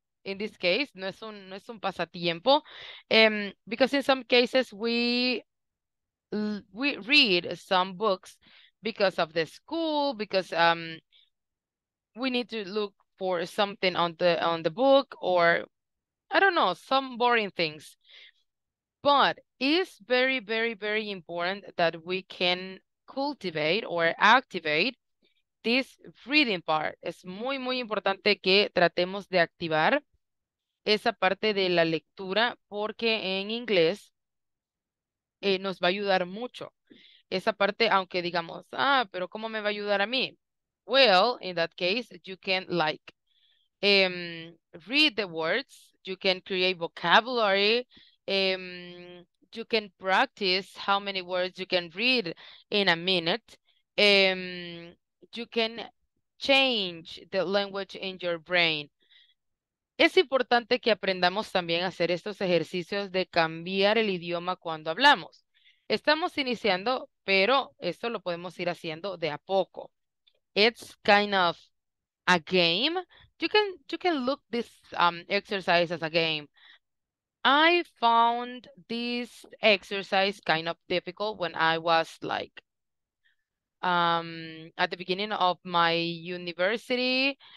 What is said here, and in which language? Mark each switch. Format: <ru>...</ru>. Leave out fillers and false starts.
<en>In this case,</en> <es>no es un pasatiempo.</es> <en>Because in some cases we read some books because of the school, because we need to look for something on the book, or I don't know, some boring things. But it's very, very, very important that we can cultivate or activate this reading part.</en> <es>Es muy, muy importante que tratemos de activar esa parte de la lectura, porque en inglés nos va a ayudar mucho. Esa parte, aunque digamos, ah, pero ¿cómo me va a ayudar a mí?</es> <en>Well, in that case, you can like read the words, you can create vocabulary, you can practice how many words you can read in a minute, you can change the language in your brain.</en> <es>Es importante que aprendamos también a hacer estos ejercicios de cambiar el idioma cuando hablamos. Estamos iniciando, pero esto lo podemos ir haciendo de a poco.</es> <en>It's kind of a game. You can look this exercise as a game. I found this exercise kind of difficult when I was like at the beginning of my university.</en>